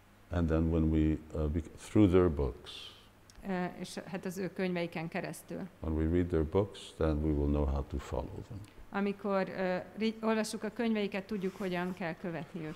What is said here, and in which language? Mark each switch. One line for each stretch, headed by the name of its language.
English: And then when we through their books.
Hungarian: És hát az ő könyveiken keresztül.
English: When we read their books, then we will know how to follow them.
Hungarian: Amikor olvassuk a könyveiket, tudjuk, hogyan kell követni őket.